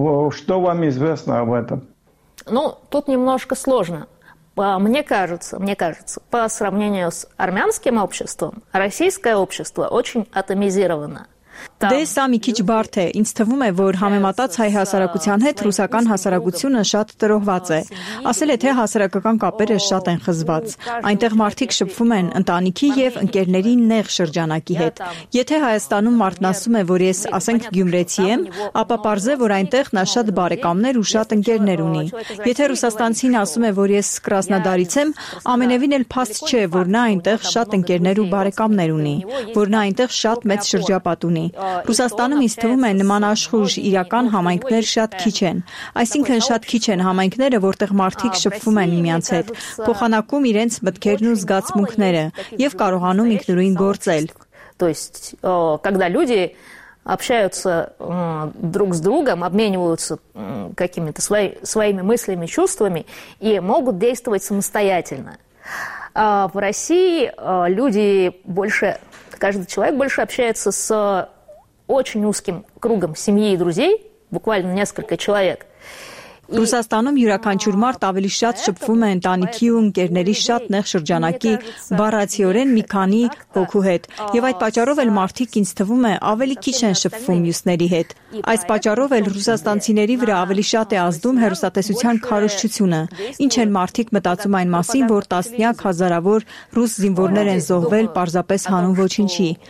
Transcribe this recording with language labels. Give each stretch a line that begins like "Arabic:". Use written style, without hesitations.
Russian: Что вам известно об этом? Ну, тут немножко сложно. Мне кажется, по сравнению с армянским обществом, российское общество очень атомизировано.
Armenian: Դե սա մի քիչ բարդ է, ինձ թվում է, որ համեմատած հայ հասարակության հետ ռուսական հասարակությունը շատ տրոհված է, ասել է, թե հասարակական կապերը շատ են խզված, այնտեղ մարդիկ շփվում են ընտանիքի և ընկերների նեղ շրջանակի հետ, եթե Հայաստանում մարդն ասում է, որ ես, ասենք, գյումրեցի եմ, ապա պարզ է, որ այնտեղ նա շատ բարեկամներ ու շատ ընկերներ ունի, եթե ռուսաստանցին ասում է, որ ես Կրասնադարից եմ, ամենևին էլ փաստ չէ, որ նա այնտեղ շատ ընկերներ ու բարեկամներ ունի, որ նա այնտեղ շատ մեծ շրջապատ ունի. Ռուսաստանում ինձ թվում է նման աշխույժ իրական համայնքներ շատ քիչ են։ Այսինքն շատ քիչ են համայնքները, որտեղ մարդիկ շփվում են միմյանց հետ, փոխանակում իրենց մտքերն ու զգացմունքները եւ կարողանում ինքնուրույն գործել։
Russian: То есть, когда люди общаются друг с другом, обмениваются какими-то своими мыслями, чувствами и могут действовать самостоятельно. А в России люди больше каждый человек больше общается с очень узким кругом семьи и друзей, буквально несколько человек.
Armenian: Ռուսաստանում յուրաքանչյուր մարդ ավելի շատ շփվում է ընտանիքի ու ընկերների շատ նեղ շրջանակի բառացիորեն մի քանի հոգու հետ, եւ այդ պատճառով էլ մարդիկ ինձ թվում է ավելի քիչ են շփվում մյուսների հետ։ Այս պատճառով էլ ռուսաստանցիների վրա ավելի շատ է ազդում հեռուստատեսության քարոշչությունը։ Ինչ են մարդիկ մտածում այն մասին, որ տասնյակ հազարավոր ռուս զինվորներ են զոհվել պարզապես հանուն ոչինչի։